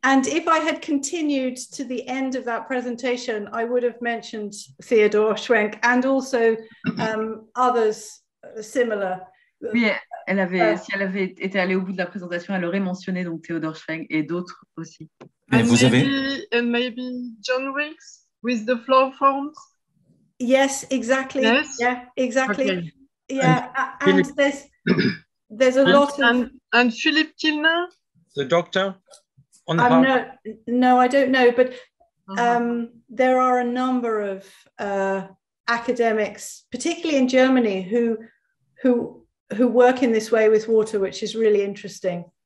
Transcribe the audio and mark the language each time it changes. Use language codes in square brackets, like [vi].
[en] And if I had continued to the end of that presentation, I would have mentioned Theodor Schwenk and also others similar. [fr] Oui, elle avait, si elle avait été allée au bout de la présentation, elle aurait mentionné donc Theodor Schwenk et d'autres aussi. [en] And maybe John Wilkes with the flow forms. Yes, exactly. Yes. Yeah, exactly. Okay. Yeah, and there's a lot of... And Philip Kilner? The doctor on the I don't know, but there are a number of academics, particularly in Germany, who work in this way with water, which is really interesting.